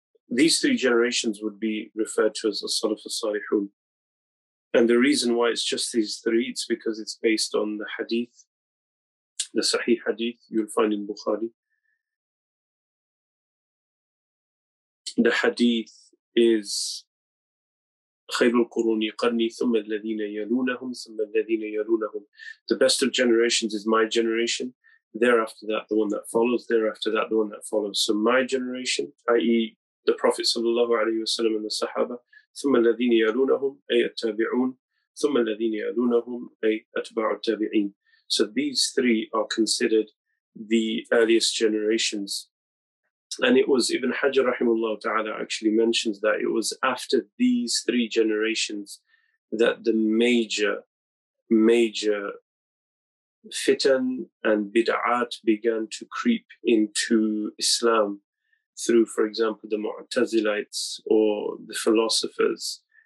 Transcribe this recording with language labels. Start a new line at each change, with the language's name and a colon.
English: These three generations would be referred to as the Salaf al-Salihun. And the reason why it's just these three, it's because it's based on the Hadith, the Sahih Hadith you'll find in Bukhari. The Hadith is
Arabic: خير القرون قرني ثم الذين يلونهم ثم الذين يلونهم.
English: The best of generations is my generation. Thereafter that, the one that follows. Thereafter that, the one that follows. So my generation, i.e. the Prophet sallallahu alaihi wasallam and the Sahaba.
Arabic: ثم الذين يلونهم أي التابعون. ثم الذين يلونهم أي أتباع التابعين.
English: So these three are considered the earliest generations. And it was Ibn Hajar rahimahullah ta'ala actually mentions that it was after these three generations that the major, major fitan and bid'at began to creep into Islam through, for example, the Mu'tazilites or the philosophers.